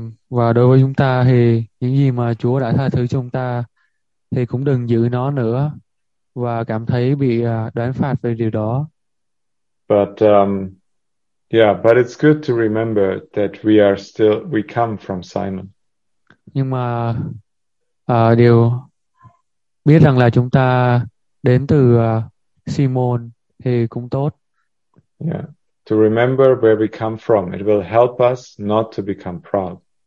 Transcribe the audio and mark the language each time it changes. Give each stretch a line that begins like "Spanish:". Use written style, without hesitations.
Vietnamese: Và đối với chúng ta thì những gì mà Chúa đã tha thứ chúng ta thì cũng đừng giữ nó nữa và cảm thấy bị đoán phạt về điều đó.
English: But but it's good to remember that we come from Simon.
Vietnamese: Nhưng mà điều biết rằng là chúng ta đến từ Simon thì cũng tốt.
English: Yeah. To remember where we come from, it will help us not to become proud.